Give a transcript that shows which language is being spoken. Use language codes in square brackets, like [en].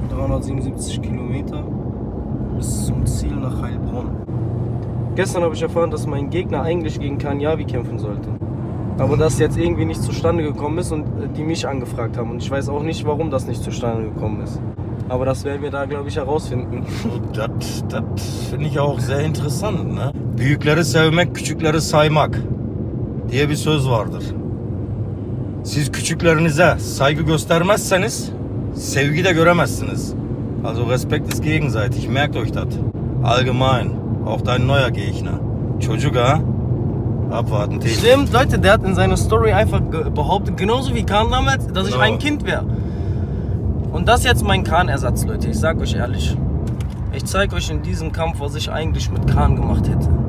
[de] 377 Kilometer bis zum Ziel nach Heilbronn. Gestern habe ich erfahren, dass mein Gegner eigentlich gegen Kanyavi kämpfen sollte. Aber das jetzt irgendwie nicht zustande gekommen ist und die mich angefragt haben. Und ich weiß auch nicht, warum das nicht zustande gekommen ist. Aber das werden wir da, glaube ich, herausfinden. Das finde ich auch sehr interessant. Ne? [tr] Büyükleri sevmek, küçükleri saymak diye bir söz vardır. Siz küçüklerinize saygı göstermezseniz Sevgi de göremezsiniz. [de] Also Respekt ist gegenseitig. Merkt euch das. Allgemein. Auch dein neuer Gegner. [tr] Çocuk, ha? [de] Abwarten. Stimmt, Leute, der hat in seiner Story einfach behauptet, genauso wie Khan damals, dass ich ein Kind wäre. Und das jetzt mein Khan-Ersatz, Leute. Ich sag euch ehrlich. Ich zeig euch in diesem Kampf, was ich eigentlich mit Khan gemacht hätte.